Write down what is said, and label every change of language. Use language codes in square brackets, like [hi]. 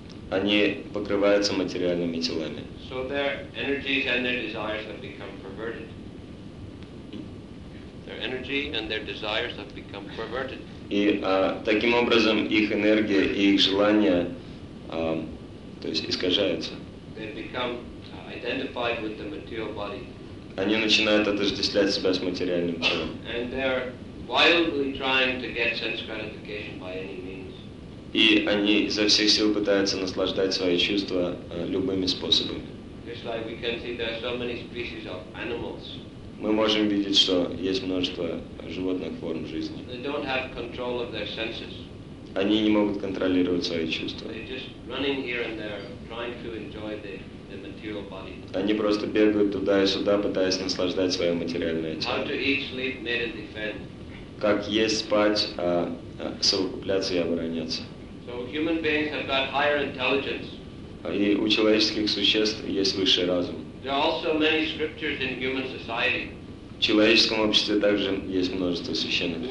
[ru] Они покрываются материальными телами. [en] So their energies and their desires have become perverted. Their energy and their desires have become perverted. [ru] И таким образом их энергия и их желания то есть искажаются. [en] They become identified with the material body. [ru] Они начинают отождествлять себя с материальным телом. [en] And they are wildly trying to get sense gratification by any means. [ru] И они изо всех сил пытаются наслаждать свои чувства любыми способами. [en] Just like we can see there are so many species of animals. [ru] Мы можем видеть, что есть множество животных форм жизни. [en] They don't have control of their senses. [ru] Они не могут контролировать свои чувства. [en] They're just running here and there, trying to enjoy the material body. [ru] Они просто бегают туда и сюда, пытаясь наслаждать свое материальное тело. [en] How to eat, sleep, mate, and defend. [ru] Как есть, спать, совокупляться и обороняться. [en] So human beings have got higher intelligence. [ru] И у человеческих существ есть высший разум. [en] There are also many scriptures in human society. [ru] В человеческом обществе также есть множество священных